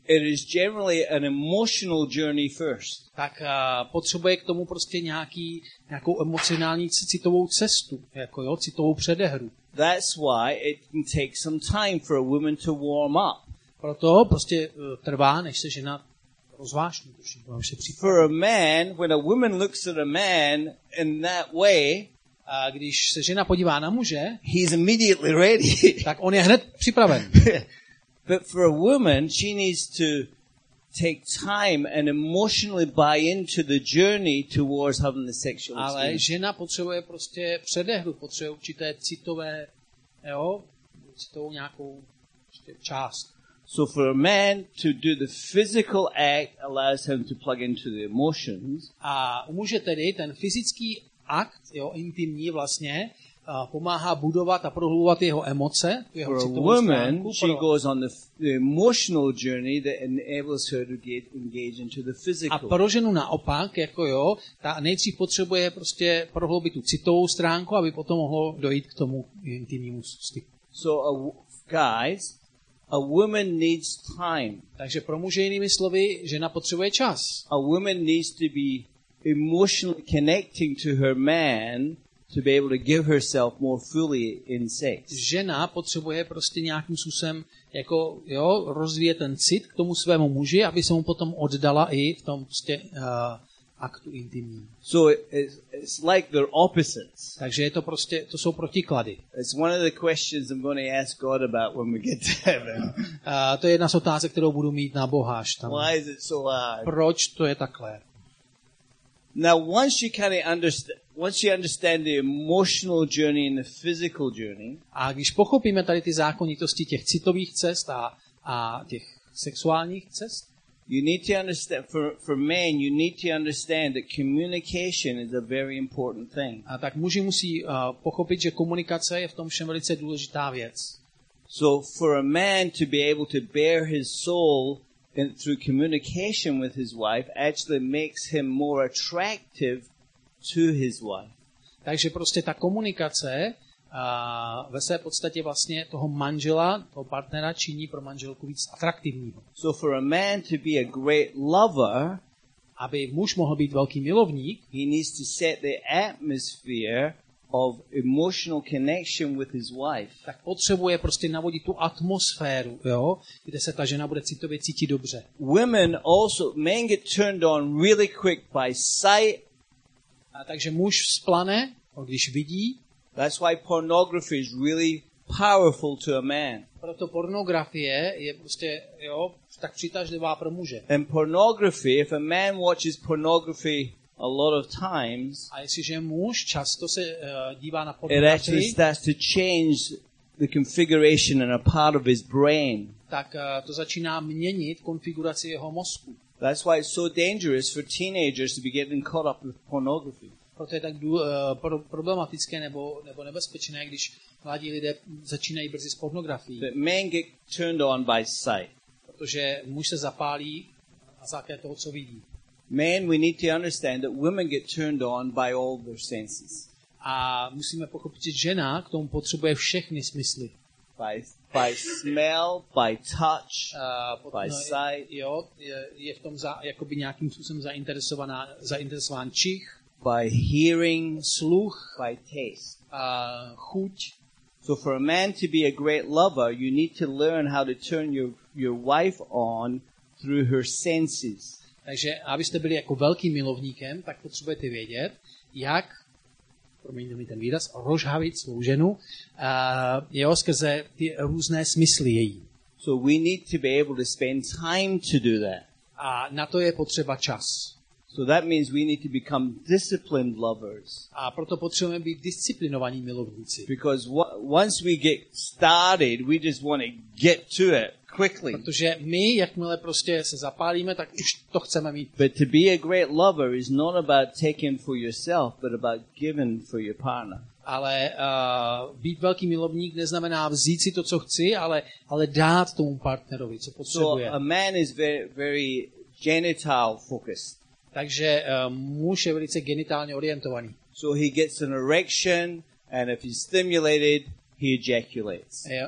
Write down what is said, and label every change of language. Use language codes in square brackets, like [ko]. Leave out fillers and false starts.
[en] it is generally an emotional journey first. [cs] Tak potřebuje k tomu prostě nějakou emocionální citovou cestu, jako jo, citovou předehru. [en] That's why it can take some time for a woman to warm up. [cs] Proto prostě trvá, než se žena rozvášní, to všechno se připraví. [en] For a man, when a woman looks at a man in that way, [cs] a když se žena podívá na muže, [en] he's immediately ready. [cs] Tak on je hned připraven. [en] But for a woman, she needs to take time and emotionally buy into the journey towards having the sexual experience. [cs] Ale žena potřebuje prostě předehru, potřebuje určité citové, jo, citovou nějakou část. [en] So for a man to do the physical act allows him to plug into the emotions. [cs] A u muže tedy ten fyzický akt, jo, intimní vlastně, pomáhá budovat a prohlubovat jeho emoce, jeho [en] woman, she goes on the emotional journey that enables her to get engaged into the physical. [cs] A pro ženu naopak, jako jo, ta nejdřív potřebuje prostě prohloubit tu citovou stránku, aby potom mohlo dojít k tomu intimnímu styku. [en] So guys, a woman needs time. [cs] Takže pro muže jinými slovy, žena potřebuje čas. [en] A woman needs to be emotionally connecting to her man to be able to give herself more fully in sex. [cs] Žena potřebuje prostě nějakým způsobem jako jo rozvíjet ten cit k tomu svému muži, aby se mu potom oddala i v tom prostě aktu intimním. [en] So it's like they're opposites. [cs] Takže je to prostě to jsou protiklady. [en] It's one of the questions I'm going to ask God about when we get to heaven. [cs] To je jedna z otázek, kterou budu mít na Boha až tam. [en] Why is it so hard? [cs] Proč to je takhle? [en] Now once you kind of understand the emotional journey and the physical journey. [cs] A když pochopíme tady ty zákonitosti těch citových cest a těch sexuálních cest, [en] you need to understand for men, you need to understand that communication is a very important thing. [cs] A tak muži musí pochopit, že komunikace je v tom všem velice důležitá věc. [en] So for a man to be able to bear his soul and through communication with his wife actually makes him more attractive to his wife. [cs] Takže prostě ta komunikace ve své podstatě vlastně toho manžela, toho partnera činí pro manželku víc atraktivního. [en] So for a man to be a great lover, [cs] aby muž mohl být velký milovník, [en] he needs to set the atmosphere of emotional connection with his wife. [cs] Tak potřebuje prostě navodit tu atmosféru, jo, kde se ta žena bude citově cítit dobře. [en] Women also, men get turned on really quick by sight. [cs] A takže muž splane, když vidí. [en] That's why pornography is really powerful to a man. [cs] Proto pornografie je prostě, jo, tak přitažlivá pro muže. [en] And pornography, if a man watches pornography a lot of times, [cs] a jestliže muž často se dívá na [en] pornografii, it actually starts to change the configuration in a part of his brain. [cs] Tak to začíná měnit konfiguraci jeho mozku. [en] That's why it's so dangerous for teenagers to be getting caught up with pornography. [cs] Proto je tak problematické nebo nebezpečné, když mladí lidé začínají brzy s pornografií. [en] But men get turned on by sight. [cs] Protože muž se zapálí na základě toho, co vidí. [en] Men, we need to understand that women get turned on by all their senses. [cs] A musíme pochopit, že žena k tomu potřebuje všechny smysly. [en] By smell, by touch, by sight. [cs] Jo, je v tom jakoby nějakým způsobem zainteresován čich. [en] By hearing, [cs] sluch, [en] by taste, [cs] chuť. [en] So for a man to be a great lover, you need to learn how to turn your wife on through her senses. [cs] Takže abyste byli jako velkým milovníkem, tak potřebujete vědět, jak, promiňte mi ten výraz, rozhavit svou ženu, jo, skrze ty různé smysly její. [en] So we need to be able to spend time to do that. [cs] A na to je potřeba čas. [en] So that means we need to become disciplined lovers. [cs] A proto potřebujeme být disciplinovaní milovníci. [en] Because once we get started, we just want to get to it quickly. [cs] Protože my, jakmile prostě se zapálíme, tak už to chceme mít. [en] But to be a great lover is not about taking for yourself, but about giving for your partner. [cs] Ale být velký milovník neznamená vzít si to, co chci, ale dát tomu partnerovi, co potřebuje. [en] So a man is very, very genital focused. [cs] Takže muž je velice genitálně orientovaný. [en] So he gets an erection and if he's stimulated, he ejaculates.